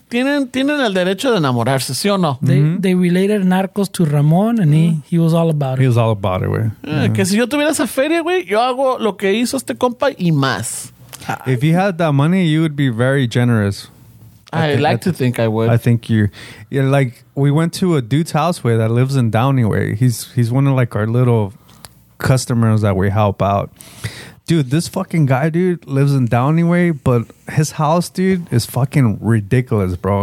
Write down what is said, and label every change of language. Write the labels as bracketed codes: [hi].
[es] Tienen el derecho de enamorarse, ¿sí o no? [en] They related Narcos to Ramón, and he was all about it. He was all about it, way. [es] Que si yo tuviera esa feria, güey, yo hago lo que hizo este compa y más. [en] If you had that money, you would be very generous. I think I would. I think like, we went to a dude's house way that lives in Downey way. He's one of like our little customers that we help out. Dude, this fucking guy, dude, lives in Downey way, but his house, dude, is fucking ridiculous, bro.